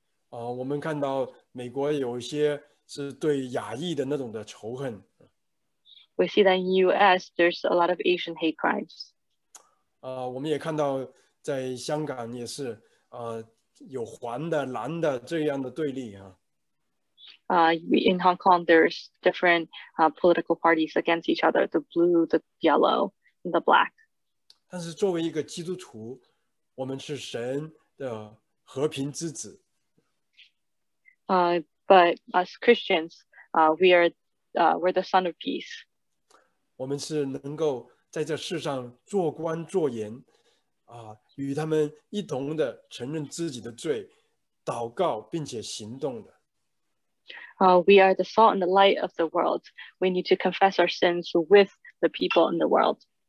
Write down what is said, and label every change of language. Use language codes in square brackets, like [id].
[zh] 我们看到美国有些是对亚裔的那种的仇恨。 [en] We see that in U.S. there's a lot of Asian hate crimes. [zh] 我们也看到在香港也是有黄的、蓝的这样的对立啊。 [en] In Hong Kong, there's different political parties against each other, the blue, the yellow, and the black. [zh] 但是作为一个基督徒，我们是神的和平之子。 [en] But as Christians, we're the son of peace. [zh] 我们是能够在这世上做官做盐，与他们一同的承认自己的罪，祷告并且行动的。 [en] We are the salt and the light of the world. We need to confess our sins with the people in the world.